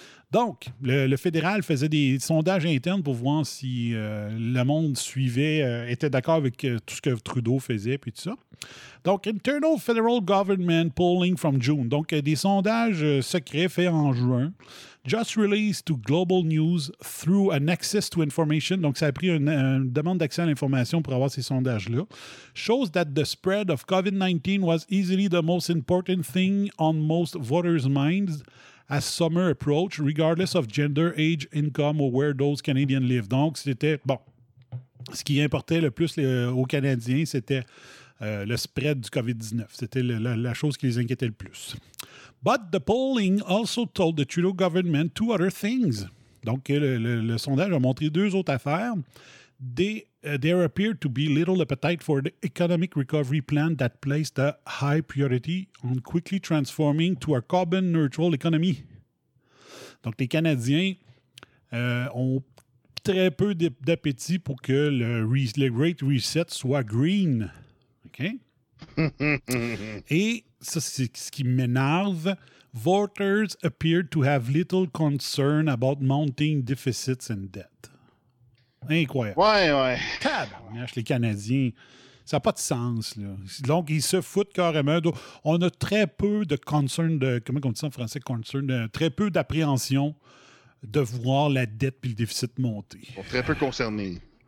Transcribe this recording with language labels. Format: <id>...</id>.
<fr>Donc, le fédéral faisait des sondages internes pour voir si le monde suivait, était d'accord avec tout ce que Trudeau faisait, puis tout ça. Donc,</fr> <en>Internal Federal Government Polling from June.</en> <fr>Donc, des sondages secrets faits en juin.</fr> <en>Just released to global news through an access to information.</en> <fr>Donc, ça a pris une demande d'accès à l'information pour avoir ces sondages-là.</fr> <en>Shows that the spread of COVID-19 was easily the most important thing on most voters' minds. As summer approach, regardless of gender, age, income, or where those Canadians live.</en> <fr>Donc, c'était, bon, ce qui importait le plus aux Canadiens, c'était le spread du COVID-19. C'était la chose qui les inquiétait le plus.</fr> <en>But the polling also told the Trudeau government two other things.</en> <fr>Donc, le sondage a montré deux autres affaires.</fr> <en>There appeared to be little appetite for the economic recovery plan that placed a high priority on quickly transforming to a carbon neutral economy.</en> <fr>Donc, les Canadiens ont très peu d'appétit pour que le Great Reset soit green. OK? Et ça, c'est ce qui m'énerve.</fr> <en>Voters appeared to have little concern about mounting deficits and debt.</en> <fr>Incroyable. Ouais. Tabarnache, les Canadiens, ça n'a pas de sens, là. Donc, ils se foutent carrément. On a très peu de concern, comment on dit ça en français, concern, très peu d'appréhension de voir la dette puis le déficit monter. On est très peu concernés.</fr>